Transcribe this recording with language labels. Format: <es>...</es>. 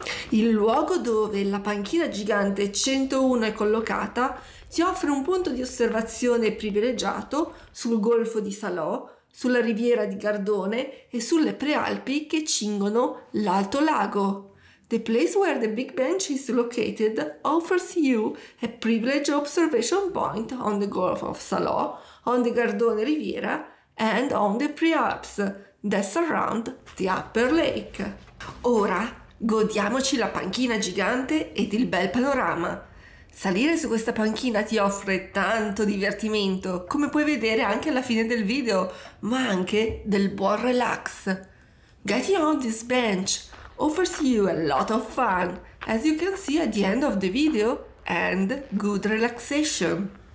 <it>Il luogo dove la panchina gigante 101 è collocata ti offre un punto di osservazione privilegiato sul golfo di Salò, sulla riviera di Gardone e sulle prealpi che cingono l'Alto Lago.</it> <en>The place where the Big Bench is located offers you a privileged observation point on the Gulf of Salò, on the Gardone Riviera and on the prealps that surround the Upper Lake.</en> <it>Ora, godiamoci la panchina gigante ed il bel panorama. Salire su questa panchina ti offre tanto divertimento, come puoi vedere anche alla fine del video, ma anche del buon relax.</it> <en>Getting on this bench offers you a lot of fun, as you can see at the end of the video, and good relaxation.</en>